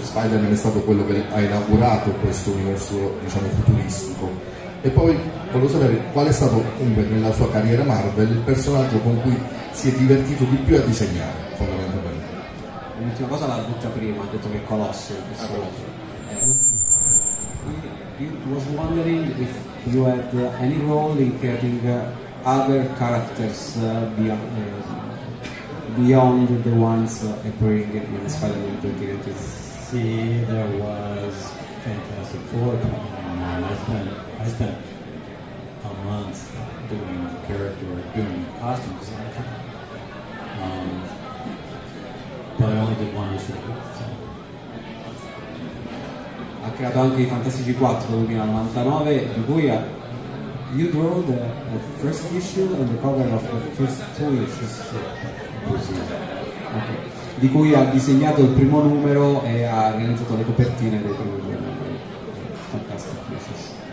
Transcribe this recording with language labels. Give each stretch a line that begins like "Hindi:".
Italian: Spider-Man è stato quello che ha inaugurato questo universo, diciamo, futuristico. E poi volevo sapere qual è stato comunque nella sua carriera Marvel il personaggio con cui si è divertito di più a disegnare, fondamentalmente. L'ultima cosa l'ha detto prima, ha detto che è Colosso il personaggio.
English: I was wondering if you had any role in creating other characters beyond the ones appearing in Spider-Man 2099.
Italian: Sì,
English: there was Fantastic Four coming on. I spent a month doing the character, doing the costume design. But I only did one issue.
Italian: Ha creato anche i Fantastici 4 2099, di cui ha...
English: You draw the first issue and the cover of the first two issues.
Italian: Così.
English: Okay.
Italian: Di cui ha disegnato il primo numero e ha realizzato le copertine dei primi due numeri.
English: Fantastic issues.